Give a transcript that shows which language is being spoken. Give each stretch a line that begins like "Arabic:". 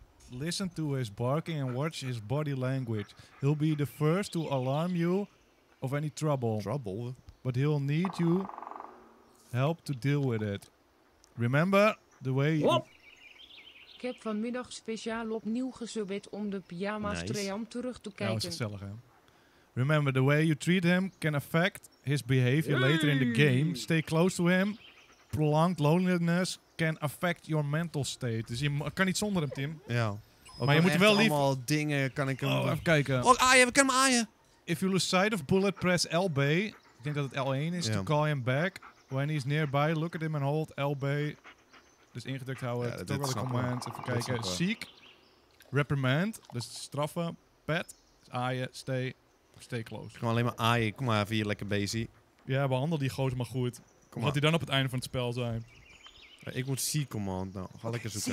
English: Listen to his barking and watch his body language. He'll be the first to alarm you of any trouble. Trouble? But he'll need you help to deal with it. Remember the way you...
Dutch: Ik heb vanmiddag speciaal opnieuw gezubbed om de pyjama's Triam terug te kijken. Ja, dat is gezellig, hè.
English: Remember, the way you treat him can affect his behavior later in the game. Stay close to him. Prolonged loneliness can affect your mental state.
Dutch: Dus je kan niet zonder hem, Tim. Ja. Ook maar je moet wel lief... Allemaal dingen kan ik hem... Oh, even kijken. Oh, aaien, we kunnen hem aaien.
English: If you lose sight of Bullet, press LB.
Dutch: Ik denk dat het L1 is,
English: to call him back. When he's nearby, look at him and hold LB.
Dutch: Dus ingedrukt houden, ja, toch wel een command. Even kijken. Seek, reprimand, dus straffen. Pet, dus aaien, stay close. Ik kan alleen maar aaien, kom maar even hier lekker busy. Ja, behandel die gozer maar goed. Wat hij dan op het einde van het spel zijn? Ja, ik moet seek command, nou, ga lekker zoeken.